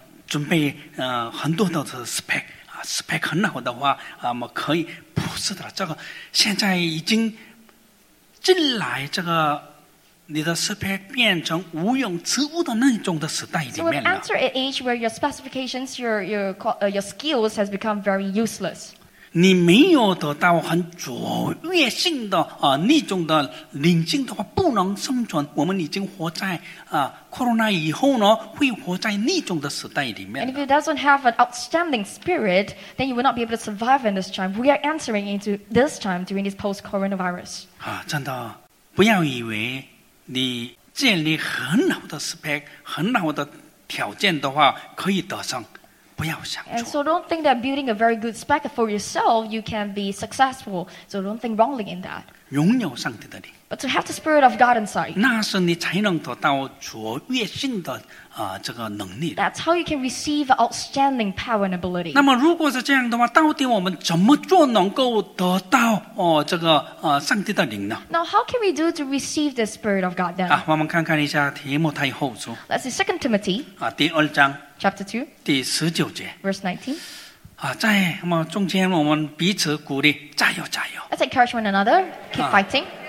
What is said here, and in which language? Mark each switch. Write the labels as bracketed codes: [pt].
[zh] 华文怎么讲？因为现在很多的年轻人一直强调嘛，好好这个准备很多的 spec 啊 ，spec 很好的话，可以不是的，这个现在已经进来这个。你的 spec 变成无用之物的那种的时代里面了。 [en] So we enter an age where your specifications, your skills has become very useless. [zh] 你没有得到很卓越性的那种的领性的话，不能生存。我们已经活在corona以后呢，会活在那种的时代里面。 [en] And if it doesn't have an outstanding spirit, then you will not be able to survive in this time. We are entering into this time during this post-coronavirus. [zh] 真的，不要以为。你建立很好的 spec 很好的条件的话可以得胜，不要想错。 [en] And so don't think that building a very good spec for yourself you can be successful. So don't think wrongly in that. [zh] 拥有 上帝的灵, [en] but to have the Spirit of God inside. [zh] 那是你才能得到卓越性的, 这个能力, [en] that's how you can receive outstanding power and ability. [zh] 那么如果是这样的话, 到底我们怎么做能够得到, 这个, 上帝的灵呢? [en] Now, how can we do to receive the Spirit of God then? [zh] 啊, 我们看看一下, 提摩太后书, [en] Let's see, 2 Timothy, [zh] 啊, 第二章, [en] chapter 2, [zh] 第19节, [en] verse 19. [zh] 在中间我们彼此鼓励加油加油 [en] Let's encourage one another Keep fighting